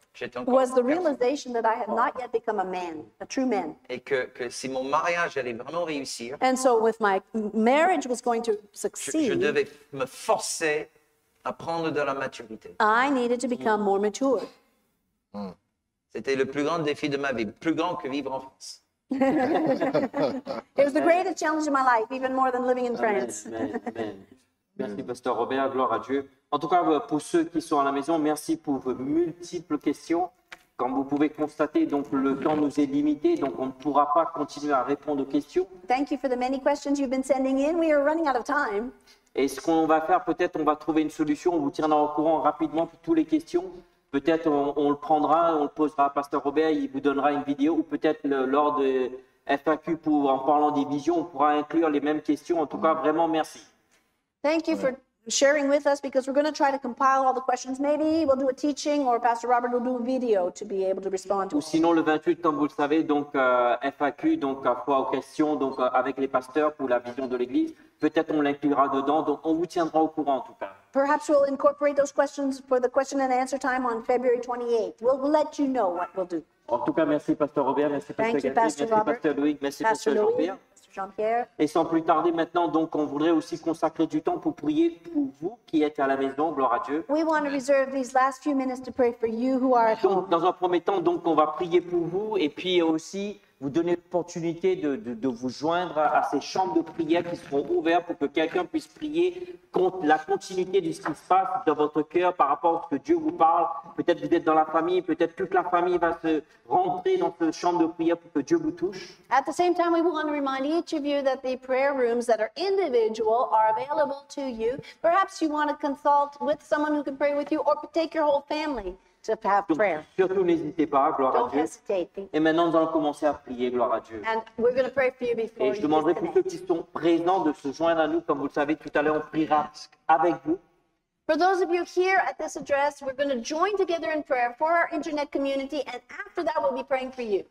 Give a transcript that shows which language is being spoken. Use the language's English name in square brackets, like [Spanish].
[French] J'étais encore [English] was the realization that I had not yet become a man, a true man. [French] Et que si mon mariage allait vraiment réussir, [English] and so if my marriage was going to succeed, [French] je devais me forcer à prendre de la maturité. [English] I needed to become more mature. [French] C'était le plus grand défi de ma vie, plus grand que vivre en France. [English] It was the greatest challenge of my life, even more than living in France. [French] Merci, Pasteur Robert. Gloire à Dieu. En tout cas, pour ceux qui sont à la maison, merci pour vos multiples questions. Comme vous pouvez constater, donc, le temps nous est limité, donc on ne pourra pas continuer à répondre aux questions. [English] Thank you for the many questions you've been sending in. We are running out of time. [French] Et ce qu'on va faire, peut-être on va trouver une solution. On vous tiendra au courant rapidement pour toutes les questions. Peut-être on le prendra, on le posera à Pasteur Robert, il vous donnera une vidéo. Ou peut-être lors de FAQ, en parlant des visions, on pourra inclure les mêmes questions. En tout cas, vraiment merci. [English] Thank you for sharing with us because we're going to try to compile all the questions. Maybe we'll do a teaching or Pastor Robert will do a video to be able to respond to [French] ou Sinon, le 28, comme vous le savez, donc FAQ, donc à fois aux questions, donc avec les pasteurs pour la vision de l'Église. Peut-être on l'inclura dedans, donc on vous tiendra au courant en tout cas. [English] Perhaps we'll incorporate those questions for the question and answer time on February 28th. We'll let you know what we'll do. [French] En tout cas, merci Pasteur Robert, merci Pasteur Gatti, [English] Pastor [French] merci Pasteur Louis, merci Pasteur Jean-Pierre. Et sans plus tarder maintenant, donc on voudrait aussi consacrer du temps pour prier pour vous qui êtes à la maison, gloire à Dieu. [English] We want to reserve these last few minutes to pray for you who are at home. [French] Donc, dans un premier temps, donc on va prier pour vous et puis aussi vous donner l'opportunité de vous joindre à ces chambres de prière qui seront ouvertes pour que quelqu'un puisse prier contre la continuité de ce qui se passe dans votre cœur par rapport à ce que Dieu vous parle. Peut-être vous êtes dans la famille, peut-être toute la famille va se rentrer dans cette chambre de prière pour que Dieu vous touche. [English] At the same time, we want to remind each of you that the prayer rooms that are individual are available to you. Perhaps you want to consult with someone who can pray with you or take your whole family. [French] Donc, surtout n'hésitez pas, gloire [English] don't [French] à Dieu. [English] Hesitate. [French] Et maintenant, nous allons commencer à prier, gloire à Dieu. [English] And we're going to pray for you before [French] et je demanderai pour ceux qui sont présents de se joindre à nous. Comme vous le savez, tout à l'heure, on priera avec vous. [English] For those of you here at this address, we're going to join together in prayer for our internet community, and after that, we'll be praying for you.